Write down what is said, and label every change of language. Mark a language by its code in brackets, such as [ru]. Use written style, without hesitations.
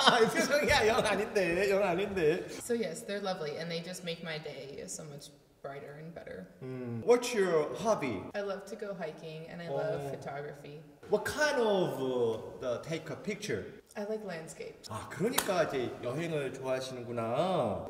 [ko] 표정이야, 영 아닌데, 영 아닌데. [en] So yes, they're lovely and they just make my day so much brighter and better. What's your hobby? I love to go hiking and I love photography. What kind of the take a picture? I like landscape. [ko] 아, 그러니까 이제 여행을 좋아하시는구나.